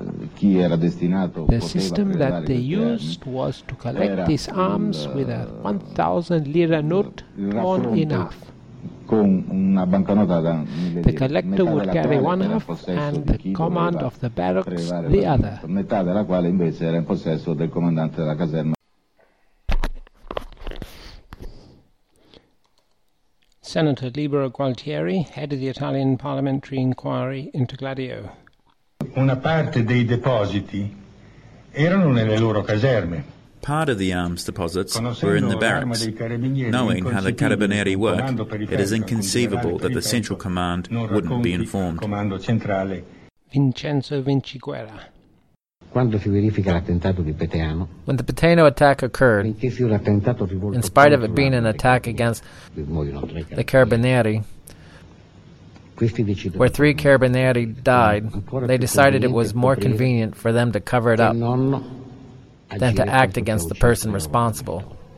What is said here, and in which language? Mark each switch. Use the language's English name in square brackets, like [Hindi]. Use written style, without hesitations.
[English] The system that they used was to collect these arms with a 1,000 lira note torn in half. The collector would carry one half and the command of the barracks the other. [Italian] Metà della quale invece era in possesso del comandante della caserma. [English] Senator Libero Gualtieri, head of the Italian parliamentary inquiry into Gladio. [Italian] Una parte dei depositi erano nelle loro caserme. [English] Part of the arms deposits were in the barracks. Knowing how the Carabinieri work, it is inconceivable that the Central Command wouldn't be informed. Vincenzo Vinciguerra. When the Peteano attack occurred, in spite of it being an attack against the Carabinieri, where three Carabinieri died, they decided it was more convenient for them to cover it up than to act against the person responsible.